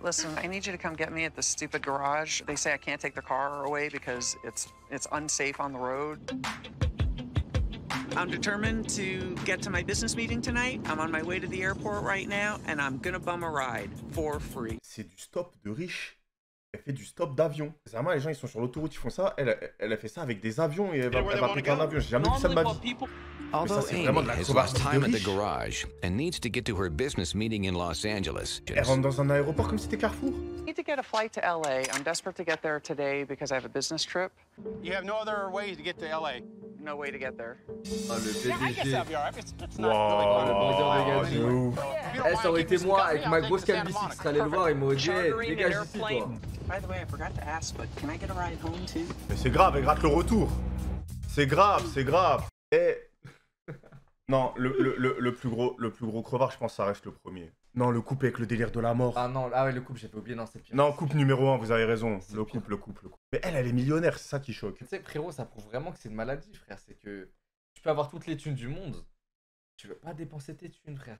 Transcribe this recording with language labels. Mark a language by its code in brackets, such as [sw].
[en] Listen, I need you to come get me at the stupid garage. They say I can't take the car away because it's unsafe on the road. I'm determined to get to my business meeting tonight. I'm on my way to the airport right now and I'm gonna bum a ride for free. [fr] C'est du stop de riche. Elle fait du stop d'avion. C'est vraiment, les gens ils sont sur l'autoroute, ils font ça. Elle a fait ça avec des avions et elle va prendre un avion. J'ai jamais vu ça de ma vie. [en] Although Amy has lost time at the garage and needs to get to her business meeting in Los Angeles. [fr] Elle rentre dans un aéroport comme si c'était Carrefour. [en] I need to get a flight to LA. I'm desperate to get there today because I have a business trip. You have no other way to get to LA. No way to get there. [fr] Ah, le PDG. [en] Yeah, I guess I'll be all right. It's not [fr] wow. Really ça aurait été moi avec ma grosse calvitie qui serait allé le voir et m'aurait dit dégage ici, toi. [en] By the way, I forgot to ask, but can I get a ride home too? [fr] Mais c'est grave, elle gratte le retour. C'est grave. Et non, le plus gros crevard, je pense que ça reste le premier. Non, le couple avec le délire de la mort. Ah non, ah ouais, le couple, j'avais oublié, non, c'est pire. Non, couple numéro 1, vous avez raison. Le couple. Mais elle est millionnaire, c'est ça qui choque. Tu sais, frérot, ça prouve vraiment que c'est une maladie, frère. C'est que tu peux avoir toutes les thunes du monde, tu veux pas dépenser tes thunes, frère.